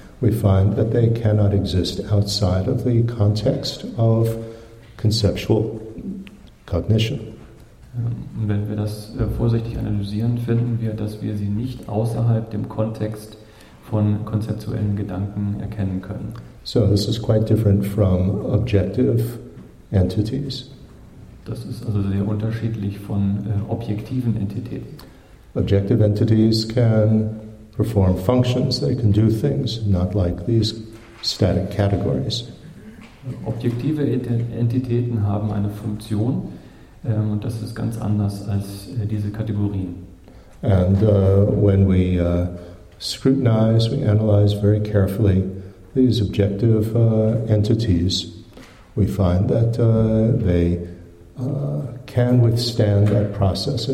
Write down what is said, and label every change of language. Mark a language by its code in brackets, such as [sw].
[en] we find that they cannot exist outside of the context of conceptual cognition. [de] Und wenn wir das vorsichtig analysieren, finden wir, dass wir sie nicht außerhalb dem Kontext von konzeptuellen Gedanken erkennen können. [en] So this is quite different from objective entities. [de] Das ist also sehr unterschiedlich von objektiven Entitäten. [en] Objective entities can perform functions, they can do things, not like these static categories. [de] Objektive Entitäten haben eine Funktion, und das ist ganz anders als diese Kategorien. [en] And when we scrutinize, we analyze very carefully these objective entities, we find that they can withstand that process.